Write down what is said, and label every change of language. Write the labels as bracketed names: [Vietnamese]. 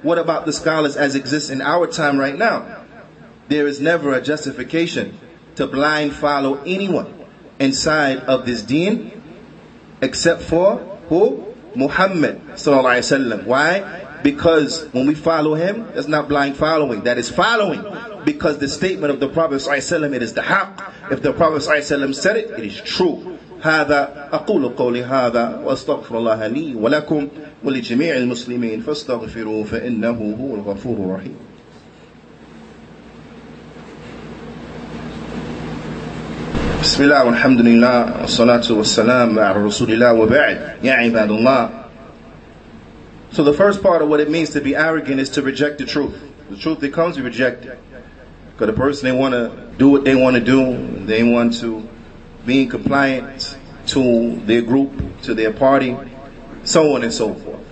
[English] What about the scholars as exists in our time right now? There is never a justification to blind follow anyone inside of this deen except for who? Muhammad sallallahu alaihi wasallam. Why? Because when we follow him, that's not blind following. That is following. Because the statement of the Prophet ﷺ, it is the haq. If the Prophet ﷺ said it, it is true. [Arabic] هذا أقول قولي هذا وأستغفر الله لي ولكم ولجميع المسلمين فاستغفروا فإنه هو الغفور الرحيم. بسم الله والحمد لله والصلاة والسلام على رسول الله وبعد يا عباد الله. [English] So the first part of what it means to be arrogant is to reject the truth. The truth that comes, we reject it. Because a person, they want to do what they want to do. They want to be in compliance to their group, to their party, so on and so forth.